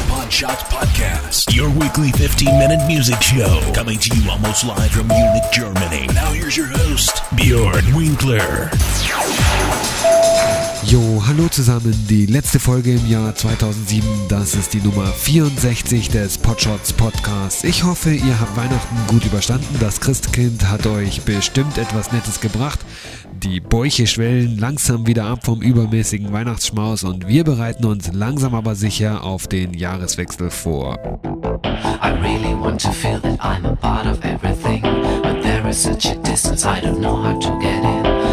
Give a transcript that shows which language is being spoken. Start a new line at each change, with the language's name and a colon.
English: Shots Podcast, your weekly 15-minute music show, coming to you almost live from Munich, Germany. Now here's your host, Björn Winkler.
German: Jo, hallo zusammen, die letzte Folge im Jahr 2007, das ist die Nummer 64 des Podshots Podcasts. Ich hoffe, ihr habt Weihnachten gut überstanden, das Christkind hat euch bestimmt etwas Nettes gebracht. Die Bäuche schwellen langsam wieder ab vom übermäßigen Weihnachtsschmaus und wir bereiten uns langsam aber sicher auf den Jahreswechsel vor.
English: I really want to feel that I'm a part of everything, but there is such a distance, I don't know how to get in.